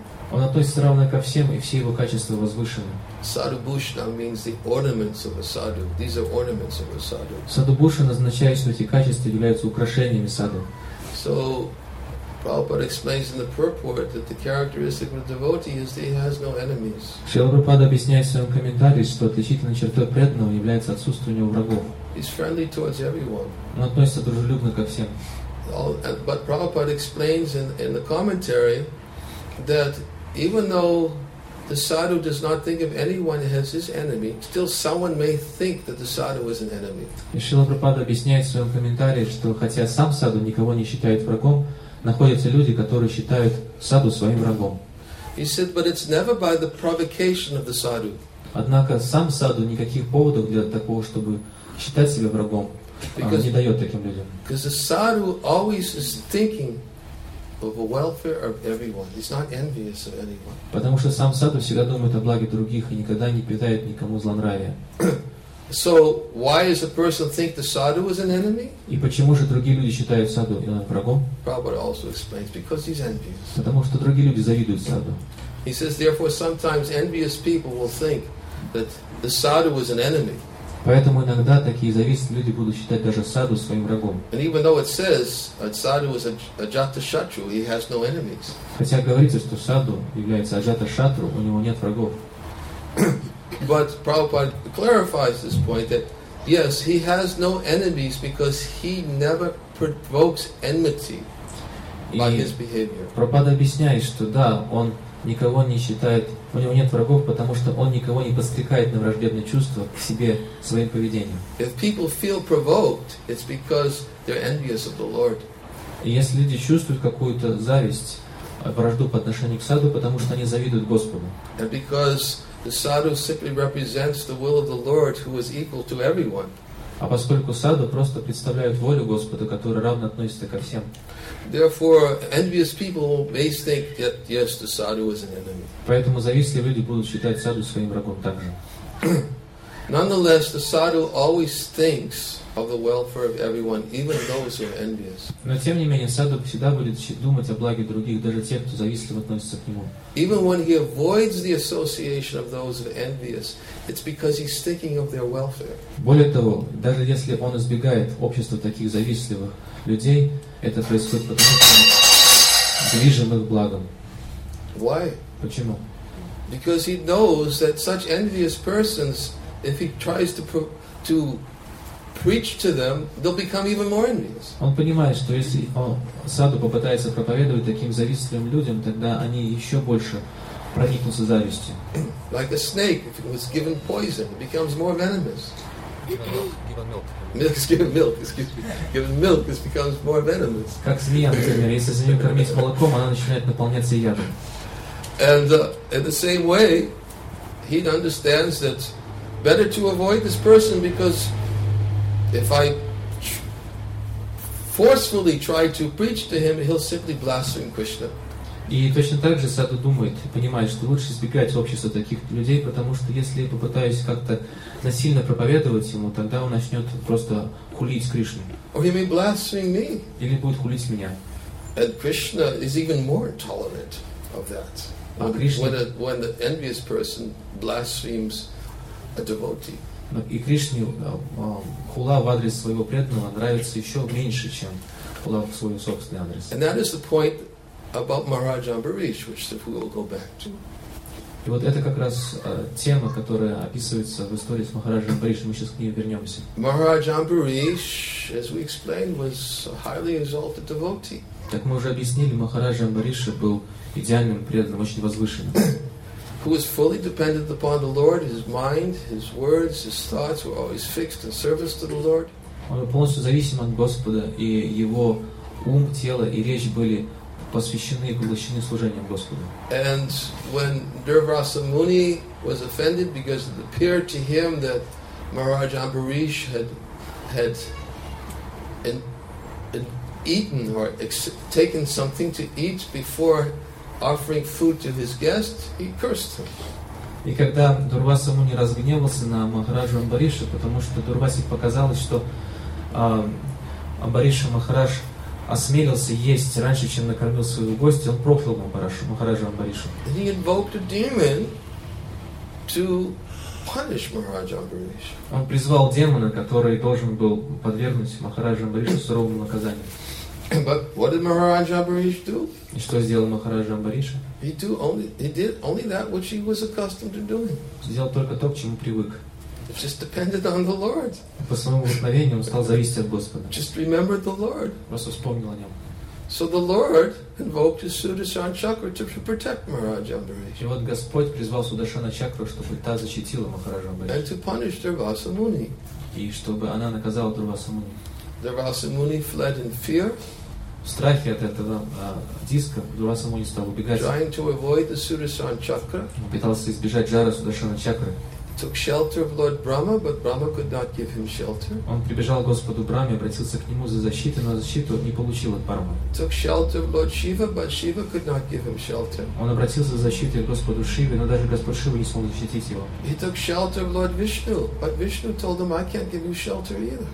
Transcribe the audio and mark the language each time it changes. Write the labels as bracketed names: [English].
[Russian] Он относится равно ко всем, и все его качества возвышены. [English] Sadhubhushana means the ornaments of a sadhu. These are ornaments of a sadhu. [Russian] Sadhubhushana означает, что эти качества являются украшениями саду. [English] So, Prabhupada explains in the purport that the characteristic of a devotee is that he has no enemies. [Russian] Шрила Прабхупада объясняет в своем комментарии, что отличительной чертой преданного является отсутствие у него врагов. [English] He's friendly towards everyone. [Russian] Он относится дружелюбно ко всем. [English] But Prabhupada explains in the commentary that even though the sadhu does not think of anyone as his enemy, still someone may think that the sadhu is an enemy. [Russian] Шрила Прабхупада объясняет в своем комментарии, что хотя сам саду никого не считает врагом, находятся люди, которые считают саду своим врагом. [English] He said, but it's never by the provocation of the sadhu. [Russian] Однако сам саду никаких поводов для такого, чтобы считать себя врагом, [English] because, [Russian] не дает таким людям. [English] Because the sadhu always is thinking of the welfare of everyone. He's not envious of anyone. [Russian] Потому что сам саду всегда думает о благе других и никогда не питает никому злонравия. [English] So why does a person think the sadhu is an enemy? [Russian] И почему же другие люди считают саду врагом? [English] Prabhupada also explains because he's envious. [Russian] Потому что другие люди завидуют саду. [English] He says therefore sometimes envious people will think that the sadhu is an enemy. [Russian] Поэтому иногда такие завистливые люди будут считать даже саду своим врагом. [English] And even though it says that sadhu is ajatashatru, he has no enemies. [Russian] Хотя говорится, что саду является ajatashatru, у него нет врагов. [English] But Prabhupada clarifies this point that yes, he has no enemies because he never provokes enmity by his behavior. [Russian] Прабхупада объясняет, что да, он никого не считает, у него нет врагов, потому что он никого не подстрекает на враждебные чувства к себе своим поведением. [English] If people feel provoked, it's because they're envious of the Lord. [Russian] И если люди чувствуют какую-то зависть, вражду по отношению к саду, потому что они завидуют Господу. [English] And because the sadhu simply represents the will of the Lord, who is equal to everyone. [Russian] А поскольку саду просто представляет волю Господа, которая равно относится ко всем. [English] Therefore, envious people may think that yes, the sadhu is an enemy. [Russian] Поэтому завистливые люди будут считать саду своим врагом также. [English] Nonetheless, the sadhu always thinks of the welfare of everyone, even those who are envious. [Russian] Но тем не менее саду всегда будет думать о благе других, даже тех, кто завистливо относится к нему. [English] Even when he avoids the association of those who are envious, it's because he's thinking of their welfare. [Russian] Более того, даже если он избегает общества таких завистливых людей, это происходит потому, что он движим их благом. [English] Why? [Russian] Почему? [English] Because he knows that such envious persons, if he tries to preach to them, they'll become even more envious. [Russian] Он понимает, что если он Саду попытается проповедовать таким завистливым людям, тогда они еще больше проникнутся завистью. [English] Like a snake, if it was given poison, it becomes more venomous. Given milk, it becomes more venomous. [Russian] Как змея, например, если змею кормить молоком, она начинает наполняться ядом. [English] And in the same way, he understands that better to avoid this person because if I forcefully try to preach to him, he'll simply blaspheme Krishna. [Russian] И точно так же Саду думает, понимает, что лучше избегать общества таких людей, потому что если я попытаюсь как-то насильно проповедовать ему, тогда он начнет просто хулить Кришну. [English] Or he may blaspheme me. [Russian] Или будет хулить меня. [English] And Krishna is even more tolerant of that. When the envious person blasphemes a devotee. [Russian] И Кришне хула в адрес своего преданного нравится еще меньше, чем хула в свой собственный адрес. [English] And that is the point about Maharaj Ambarish, which we will go back to. [Russian] И вот это как раз тема, которая описывается в истории с Махараджем Амбаришем. Мы сейчас к ней вернемся. [English] Maharaj Ambarish, as we explained, was a highly exalted devotee. [Russian] Как мы уже объяснили, Махараджа Амбариша был идеальным преданным, очень возвышенным. [English] Who was fully dependent upon the Lord, his mind, his words, his thoughts were always fixed in service to the Lord. [Russian] Он был полностью зависим от Господа, и его ум, тело и речь были посвящены и поглощены служением Господу. [English] And when Durvasa Muni was offended because it appeared to him that Maharaj Ambarish had eaten or taken something to eat before offering food to his guest, he cursed him. [Russian] И когда Дурваса Муни разгневался на Махараджу Амбариша, потому что Дурвасе показалось, что Амбариша Махарадж осмелился есть раньше, чем накормил своего гостя, он проклял Махараджу Амбаришу. [English] He invoked a demon to punish Maharaj Ambarish. [Russian] Он призвал демона, который должен был подвергнуть Махараджу Амбаришу суровому наказанию. [English] But what did Maharaj Ambarish do? [Russian] И что сделал Махараджа Амбариша? [English] He did only that which he was accustomed to doing. [Russian] Сделал только то, к чему привык. [English] Just depended on the Lord. [Russian] По своему вдохновению он стал зависеть от Господа. [English] Just remembered the Lord. [Russian] Просто вспомнил о нем. [English] So the Lord invoked his Sudarshan Chakra to protect Maharaj Ambarish. [Russian] И вот Господь призвал Сударшана Чакру, чтобы та защитила Махараджа Амбариша. [English] And to punish Durvasa Muni. [Russian] И чтобы она наказала Дурвасу Муни. [English] Durvasa Muni fled in fear. [Russian] В страхе от этого диска Дурваса Муни стал убегать. [English] Trying to avoid the Sudarshan Chakra. [Russian] Он пытался избежать жара Сударшана Чакры. [English] Took shelter of Lord Brahma, but Brahma could not give him shelter. [Russian] Он прибежал к Господу Брахме, обратился к нему за защиту, но защиту не получил от Брахмы. [English] Took shelter of Lord Shiva, but Shiva could not give him shelter. [Russian] Он обратился за защитой к Господу Шиве, но даже Господь Шива не смог защитить его. [English] He took shelter of Lord Vishnu, but Vishnu told him, "I can't give you shelter either."